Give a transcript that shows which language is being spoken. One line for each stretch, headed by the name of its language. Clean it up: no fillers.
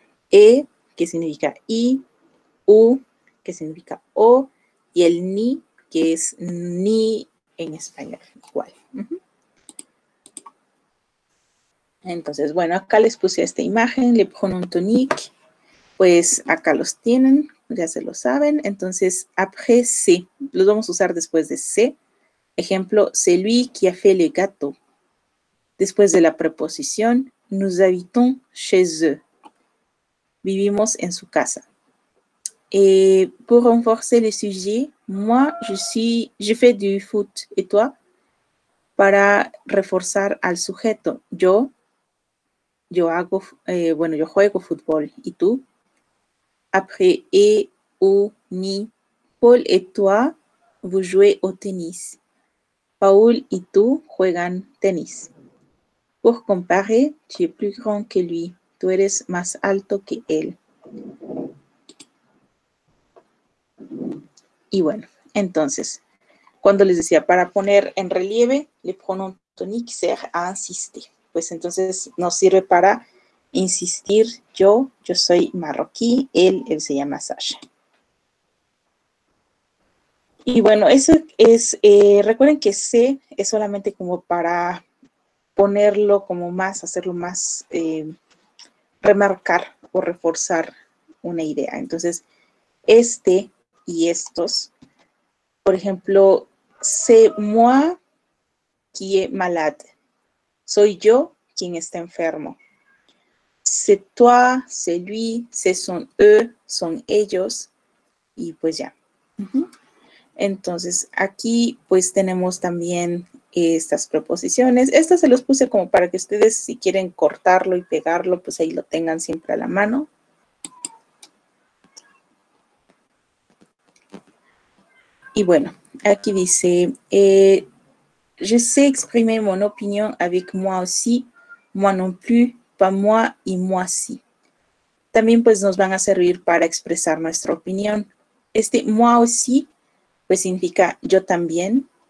Spanish: et, que significa i, u, que significa o, y el ni, que es ni en español, igual. Entonces, bueno, acá les puse esta imagen, le pongo un tonic, pues acá los tienen, ya se lo saben. Entonces, après, c'est, los vamos a usar después de c. Ejemplo,
French: c'est lui qui a fait le gâteau.
Spanish: Después de la preposición,
French: nous habitons chez eux.
Spanish: Vivimos en su casa.
French: Et pour renforcer le sujet, moi, je fais du foot, et toi?
Spanish: Para reforzar al sujeto, yo juego fútbol. ¿Y tú? Après, et, ou, ni.
French: Paul et toi, vous jouez au tennis.
Spanish: Paul y tú juegan tenis.
French: Pour comparer, tu es plus grand que lui.
Spanish: Tú eres más alto que él. Y bueno, entonces, cuando les decía, para poner en relieve,
French: le pronom tonique sert a insister.
Spanish: Pues entonces nos sirve para insistir, yo soy marroquí, él se llama Sasha. Y bueno, eso es, recuerden que C es solamente como para ponerlo como más, hacerlo más, remarcar o reforzar una idea. Entonces, este y estos, por ejemplo,
French: c'est moi qui est malade,
Spanish: soy yo quien está enfermo.
French: C'est toi, c'est lui, c'est son eux,
Spanish: son ellos, y pues ya. Entonces, aquí pues tenemos también estas preposiciones. Estas se los puse como para que ustedes, si quieren cortarlo y pegarlo, pues ahí lo tengan siempre a la mano. Y bueno, aquí dice,
French: je sais exprimer mon opinion avec moi aussi, moi non plus, pas moi y moi si.
Spanish: También pues nos van a servir para expresar nuestra opinión. Este moi aussi, pues significa yo también.